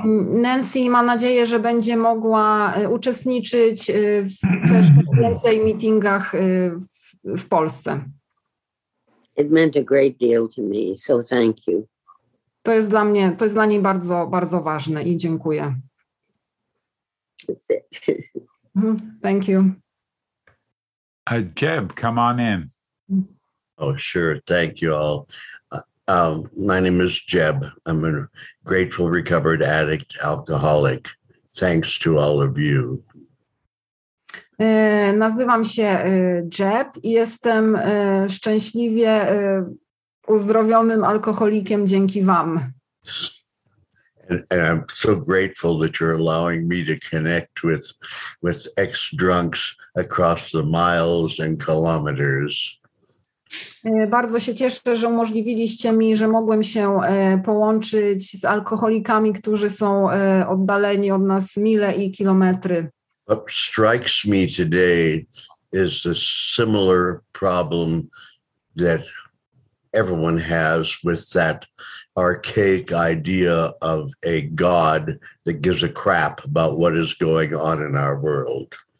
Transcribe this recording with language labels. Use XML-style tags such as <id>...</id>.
<pl>Nancy ma nadzieję, że będzie mogła uczestniczyć też w więcej meetingach w Polsce.</pl> <en>It meant a great deal to me, so thank you. To jest dla niej bardzo, bardzo ważne i dziękuję. That's it. Thank you. Jeb, come on in. Oh, sure. Thank you all. My name is Jeb. I'm a grateful recovered addict, alcoholic. Thanks to all of you.</en> <pl>Nazywam się Jeb i jestem szczęśliwie uzdrowionym alkoholikiem dzięki wam.</pl> <en>And I'm so grateful that you're allowing me to connect with ex-drunks across the miles and kilometers.</en> <pl>Bardzo się cieszę, że umożliwiliście mi, że mogłem się połączyć z alkoholikami, którzy są oddaleni od nas mile i kilometry.</pl> <en>What strikes me today is a similar problem that everyone has with that archaic idea of a God that gives a crap about what is going on in our world.</en>